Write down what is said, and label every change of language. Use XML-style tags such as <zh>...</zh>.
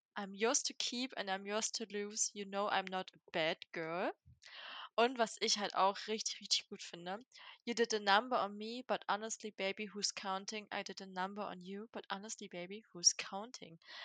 <en>I'm yours to keep and I'm yours to lose. You know I'm not a bad girl.</en> <de>Und was ich halt auch richtig, richtig gut finde.</de> <en>You did a number on me, but honestly, baby, who's counting? I did a number on you, but honestly, baby, who's counting?</en>